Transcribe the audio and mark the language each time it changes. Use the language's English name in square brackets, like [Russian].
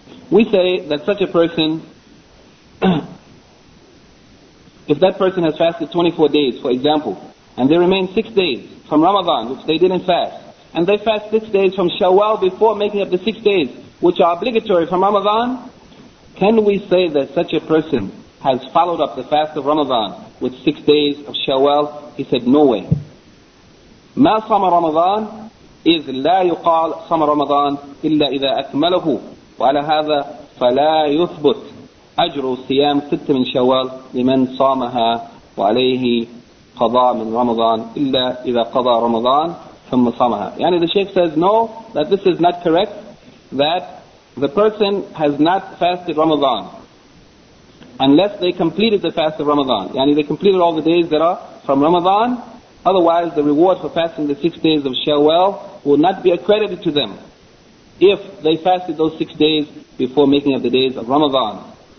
[English] We say that such a person, if that person has fasted 24 days, for example, and they remain 6 days from Ramadan, which they didn't fast, and they fast 6 days from Shawwal before making up the 6 days, which are obligatory from Ramadan, can we say that such a person has followed up the fast of Ramadan with 6 days of Shawwal? He said, no way. [Arabic] ما صام رمضان إذ لا يقال صام رمضان إلا إذا أكمله وعلى هذا فلا يثبت أجر صيام ستة من شوال لمن صامها وعليه قضاء من رمضان إلا إذا قضى رمضان ثم صامها. [English] The Shaykh says no, that this is not correct, that the person has not fasted Ramadan unless they completed the fast of Ramadan. They completed all the days that are from Ramadan. Otherwise, the reward for fasting the 6 days of Shawwal will not be accredited to them if they fasted those 6 days before making up the days of Ramadan.